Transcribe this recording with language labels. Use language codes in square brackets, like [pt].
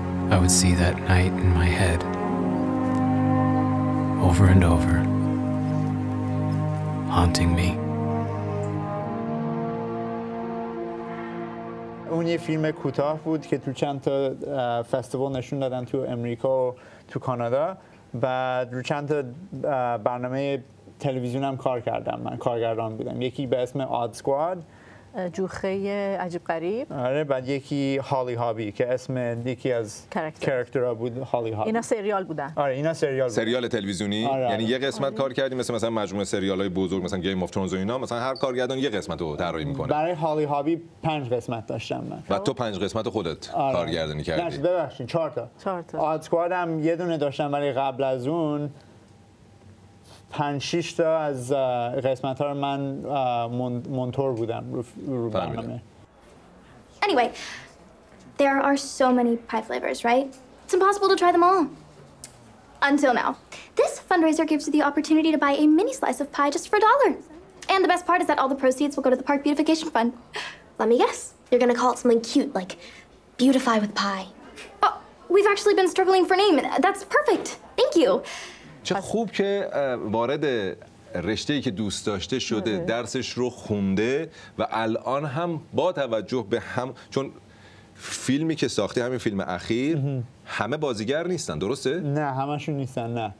[en] I would see that night in my head over and over, haunting me. [fa] اون یه فیلم کوتاه بود که تو چند تا فستیوال نشون دادن تو امریکا و تو کانادا، بعد رو چند تا برنامه تلویزیون هم کار کردم، من کارگردان بودم، یکی به اسم آد سکواد، جوخه عجیب غریب. آره، بعد یکی هالی هابی که اسم یکی از کاراکترها بود. هالی هابی اینا سریال بودن. آره اینا سریال بودن. سریال تلویزیونی. آره، یعنی آره. یه قسمت آره. کار کردیم مثل مثلا مجموعه سریال های بزرگ مثلا گیم اف ترونز و اینا، مثلا هر کارگردان یه قسمت رو طراحی میکنه. برای هالی هابی 5 قسمت داشتم من. و تو 5 قسمت خودت آره. کارگردانی کردی. نه ببخشید 4 تا. 4 تا. آد سکواد هم یه دونه داشتم، ولی قبل از اون 5-6 تا از قسمت‌ها رو من مونتور بودم رو برنامه. [en] Anyway, there are so many pie flavors, right? It's impossible to try them all. Until now. This fundraiser gives you the opportunity to buy a mini slice of pie just for a dollar. And the best part is that all the proceeds will go to the park beautification fund. Let me guess. You're going to call it something cute like Beautify with Pie. Oh, we've actually been struggling for a name. That's perfect. Thank you. [fa] چه خوب که وارد رشته‌ای که دوست داشته شده، درسش رو خونده و الان هم با توجه به هم، چون فیلمی که ساختی همین فیلم اخیر همه بازیگر نیستن، درسته؟ نه همشون نیستن، نه